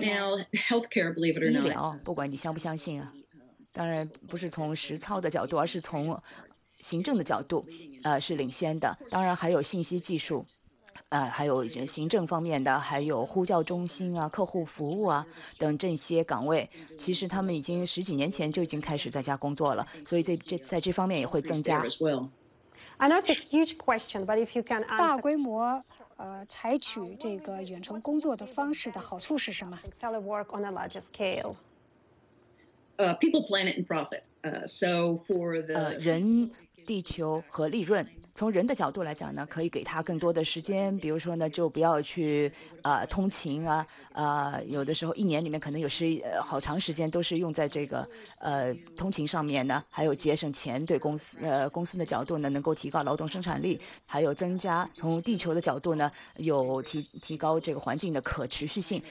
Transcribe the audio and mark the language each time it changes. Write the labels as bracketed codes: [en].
[zh] 医疗，不管你相不相信啊，当然不是从实操的角度，而是从行政的角度，是领先的。当然还有信息技术，还有行政方面的，还有呼叫中心啊、客户服务啊等这些岗位，其实他们已经十几年前就已经开始在家工作了，所以在这方面也会增加。 [en] I know it's a huge question, but if you can answer. [zh] 大规模采取这个远程工作的方式的好处是什么？ [en] Telework on a larger scale. People, planet, and profit. So for the [zh] 人、地球和利润。从人的角度来讲呢，可以给他更多的时间，比如说呢就不要去通勤啊，有的时候一年里面可能有时好长时间都是用在这个通勤上面呢，还有节省钱，对公司的角度呢能够提高劳动生产力，还有增加从地球的角度呢有提高这个环境的可持续性。